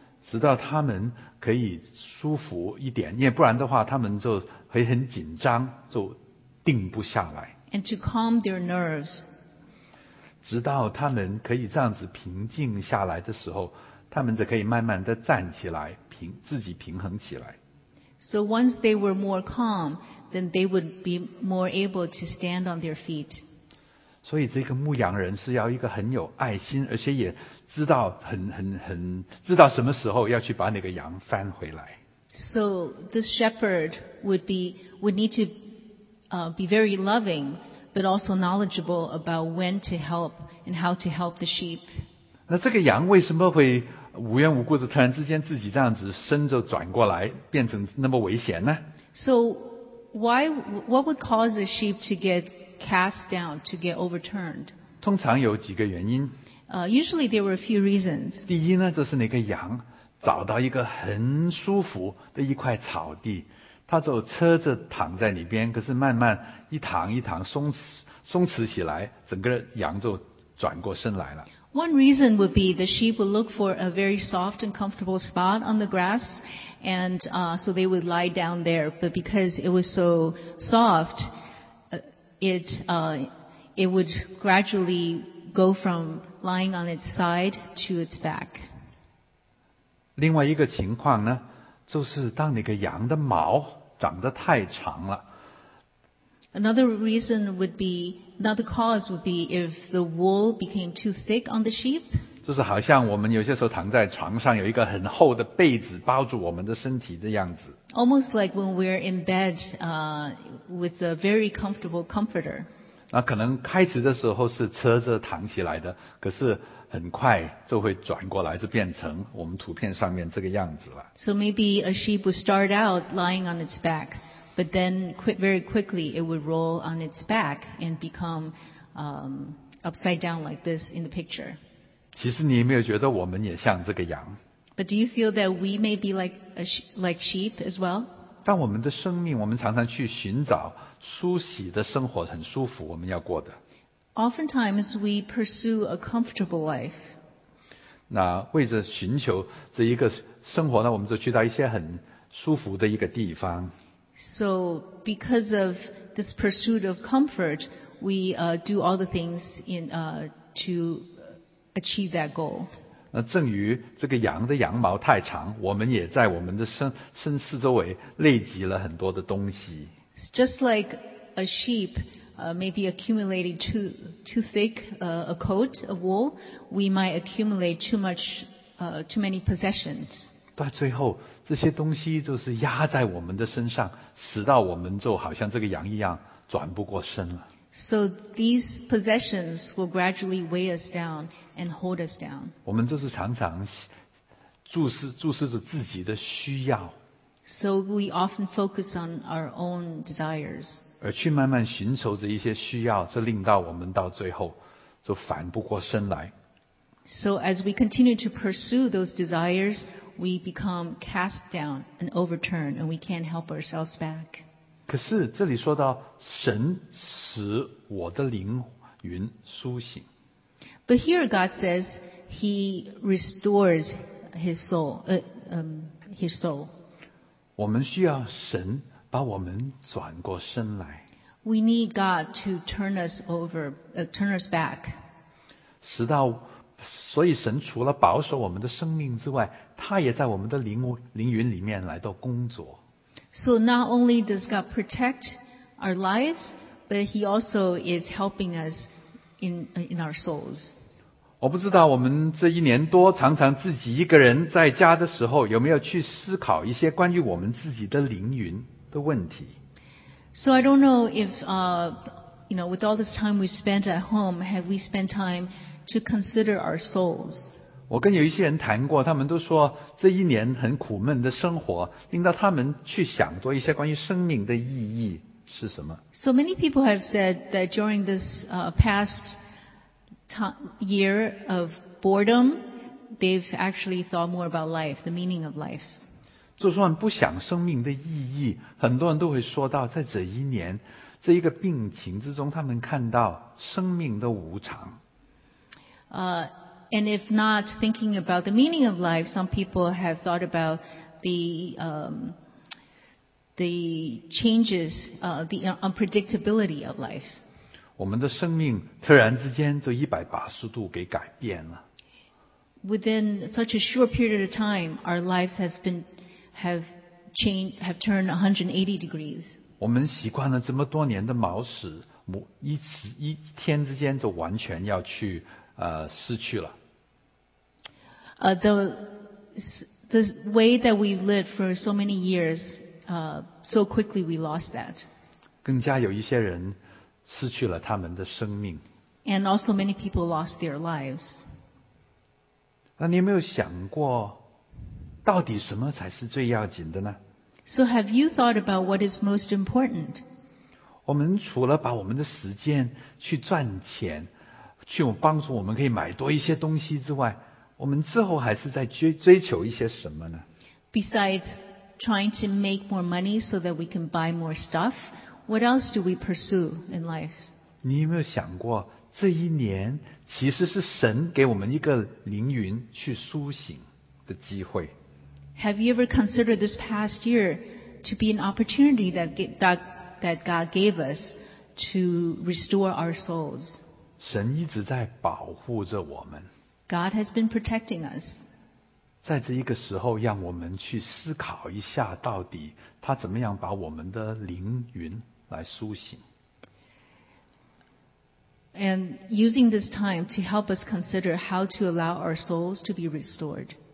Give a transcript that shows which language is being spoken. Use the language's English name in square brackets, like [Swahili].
[Chinese] 直到他们可以舒服一点，因为不然的话，他们就会很紧张，就定不下来。 [English] And to calm their nerves. [Chinese] 直到他们可以这样子平静下来的时候，他们就可以慢慢的站起来，自己平衡起来。 [English] So once they were more calm, then they would be more able to stand on their feet. [Chinese] 所以这个牧羊人是要一个很有爱心，而且也知道很知道什么时候要去把那个羊翻回来。 [English] So the shepherd would need to be very loving, but also knowledgeable about when to help and how to help the sheep. [Chinese] 那这个羊为什么会无缘无故的突然之间自己这样子身就转过来变成那么危险呢？ [English] So why, what would cause a sheep to get cast down, to get overturned? [Chinese] 通常有几个原因。 [English] Usually there were a few reasons. [Chinese] 第一呢，就是那个羊找到一个很舒服的一块草地，它就侧着躺在里边，可是慢慢一躺一躺松弛起来，整个羊就转过身来了。 [English] One reason would be the sheep would look for a very soft and comfortable spot on the grass, and so they would lie down there. But because it was so soft, it would gradually go from lying on its side to its back. [Chinese] 另外一个情况呢，就是当那个羊的毛长得太长了。 [English] Another reason would be, another cause would be if the wool became too thick on the sheep. [Chinese] 就是好像我们有些时候躺在床上有一个很厚的被子包住我们的身体的样子。 [English] Almost like when we're in bed, with a very comfortable comforter. [Chinese] 那可能开始的时候是侧着躺起来的，可是很快就会转过来，就变成我们图片上面这个样子了。 [English] So maybe a sheep would start out lying on its back. But then, very quickly, it would roll on its back and become upside down like this in the picture. [Chinese] 其实你有没有觉得我们也像这个羊？ [English] But do you feel that we may be like sheep as well? [Chinese] 当我们的生命，我们常常去寻找舒喜的生活，很舒服，我们要过的。 [English] Oftentimes, we pursue a comfortable life. [Chinese] 那为着寻求这一个生活呢，我们就去到一些很舒服的一个地方。 [English] So because of this pursuit of comfort, we do all the things in to achieve that goal. [Chinese] 那正如这个羊的羊毛太长，我们也在我们的身四周围累积了很多的东西。 [English] Just like a sheep, maybe accumulating too thick a coat of wool, we might accumulate too many possessions. [Chinese] 到最后，这些东西就是压在我们的身上，使到我们就好像这个羊一样，转不过身了。 [English] So these possessions will gradually weigh us down and hold us down. [Chinese] 我们就是常常注视着自己的需要。 [English] So we often focus on our own desires. [Chinese] 而去慢慢寻求着一些需要，这令到我们到最后就反不过身来。 [English] So as we continue to pursue those desires, we become cast down and overturned, and we can't help ourselves back. [Chinese] 可是这里说到神使我的灵魂苏醒。 [English] But here God says He restores His soul, His soul. [Chinese] 我们需要神把我们转过身来。 [English] We need God to turn us over, turn us back. [Chinese] 使到所以神除了保守我们的生命之外，他也在我们的灵魂里面来到工作。 [English] So not only does God protect our lives, but He also is helping us in our souls. [Chinese] 我不知道我们这一年多常常自己一个人在家的时候，有没有去思考一些关于我们自己的灵魂的问题。 [English] So I don't know if, you know, with all this time we spent at home, have we spent time? To consider our souls. [Chinese] 我跟有一些人谈过，他们都说这一年很苦闷的生活，令到他们去想多一些关于生命的意义是什么。 [English] So many people have said that during this past year of boredom, they've actually thought more about life, the meaning of life. [Chinese] 就算不想生命的意义，很多人都会说到，在这一年这一个病情之中，他们看到生命的无常。 [English] And if not thinking about the meaning of life, some people have thought about the changes, the unpredictability of life. [Chinese] 我们的生命突然之间就180度给改变了。 [English] Within such a short period of time, our lives have turned 180 degrees. [Chinese] 我们习惯了这么多年的毛屎，一天之间就完全要去失去了。 [English] The way that we've lived for so many years, so quickly we lost that. [Chinese] 更加有一些人失去了他们的生命。 [English] And also many people lost their lives. [Chinese] 那你有没有想过到底什么才是最要紧的呢？ [English] So have you thought about what is most important? [Chinese] 我们除了把我们的时间去赚钱，去帮助我们可以买多一些东西之外，我们之后还是在追求一些什么呢？ [English] Besides trying to make more money so that we can buy more stuff, what else do we pursue in life? [Chinese] 你有没有想过这一年其实是神给我们一个灵云去苏醒的机会。 [English] Have you ever considered this past year to be an opportunity that God gave us to restore our souls? [Chinese] 神一直在保护着我们。 [English] God has been protecting us. [Chinese] 在这一个时候，让我们去思考一下，到底他怎么样把我们的灵云来苏醒。 [English] And using this time to help us consider how to allow our souls to be restored.